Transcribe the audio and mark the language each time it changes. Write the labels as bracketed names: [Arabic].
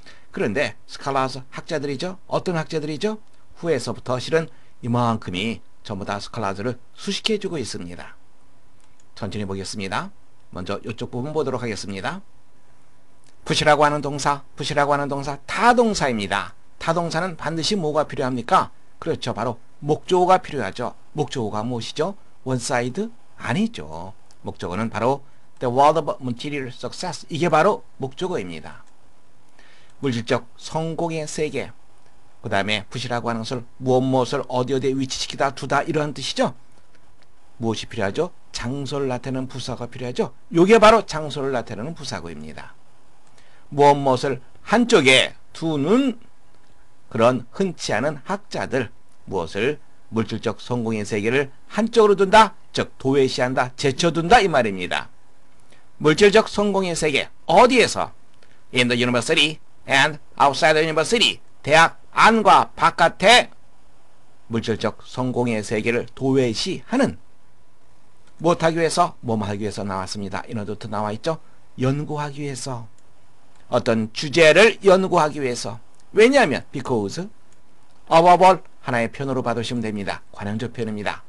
[Korean] 그런데 scholars, 학자들이죠? 어떤 학자들이죠? 후에서부터 실은 이만큼이 전부 다 scholars를 수식해주고 있습니다. 천천히 보겠습니다. 먼저 이쪽 부분 보도록 하겠습니다. push라고 하는 동사, push라고 하는 동사, 타동사입니다. 타동사는 반드시 뭐가 필요합니까? 그렇죠. 바로 목적어가 필요하죠. 목적어가 무엇이죠? [English] one side? [Korean] 아니죠. 목적어는 바로 [English] the world of material success. [Korean] 이게 바로 목적어입니다. 물질적 성공의 세계. 그 다음에 push라고 하는 것을 무엇무엇을 어디어디에 위치시키다 두다 이러한 뜻이죠. 무엇이 필요하죠? 장소를 나타내는 부사가 필요하죠. 이게 바로 장소를 나타내는 부사구입니다. 무엇무엇을 한쪽에 두는 그런 흔치 않은 학자들, 무엇을 물질적 성공의 세계를 한쪽으로 둔다, 즉 도외시한다, 제쳐둔다 이 말입니다. 물질적 성공의 세계 어디에서? [English] In the university and outside the university. [Korean] 대학 안과 바깥에 물질적 성공의 세계를 도외시하는. 무엇하기 위해서? 뭐하기 위해서 나왔습니다. 인어도트 나와있죠? 연구하기 위해서. 어떤 주제를 연구하기 위해서. 왜냐하면 [English] because of a world [Korean] 하나의 표현으로 받으시면 됩니다. 관용적 표현입니다.